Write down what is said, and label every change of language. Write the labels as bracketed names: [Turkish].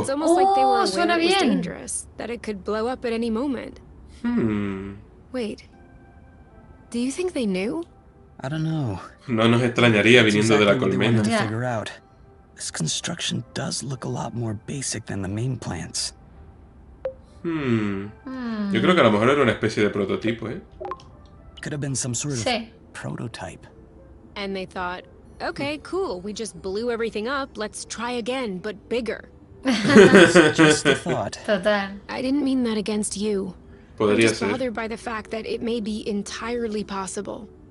[English] It's almost like they were aware it was dangerous, that it could blow up at any moment. Wait. Do you think they knew? I don't know. [Spanish] No nos extrañaría viniendo de la colmena. [English] Yeah. This construction does look a lot more basic than the main plants. [Spanish] Yo creo que a lo mejor era una especie de prototipo, ¿eh? [English] Could have been some sort of prototype. And they thought, okay, cool, we just blew everything up, let's try again, but bigger. Just the thought. I didn't mean that against you. [Spanish] Podría ser. [English] I'm just bothered by the fact that it may be entirely possible.